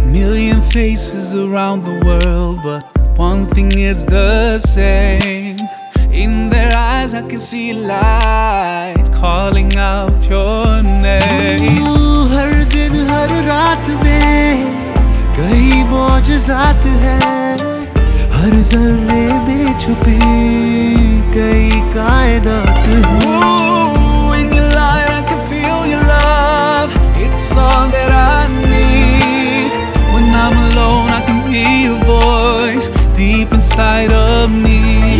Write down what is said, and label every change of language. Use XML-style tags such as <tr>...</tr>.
<en>Million faces around the world, but one thing is the same. In their eyes I can see light calling out your name.</en> <hi>हर रात में कई मौजज़ात है, हर जर्रे में छुपी कई कायनात है।</hi> <en>Ooh, in your light I can feel your love, it's all that I need. When I'm alone I can hear your voice deep inside of me.</en>